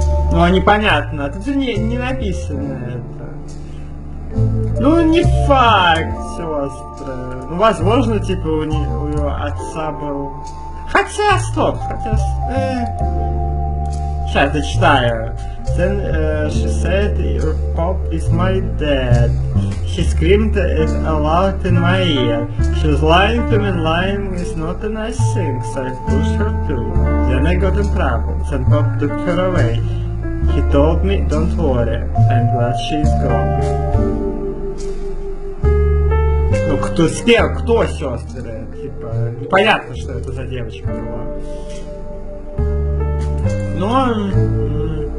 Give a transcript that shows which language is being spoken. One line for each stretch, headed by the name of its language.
Russian: Ну, непонятно, тут же не написано это. Ну, не факт, сестра. Ну, возможно, типа, у его отца был... Сейчас, дочитаю.
English: Then she said, your pop is my dad. She screamed it aloud in my ear. She was lying to me, lying is not a nice thing, so I pushed her through. Then I got in trouble, then Pop took her away. He told me, don't worry, I'm glad she's gone.
Russian: Ну, кто с кем? Кто сестры? Типа, непонятно, что это за девочка была. Но...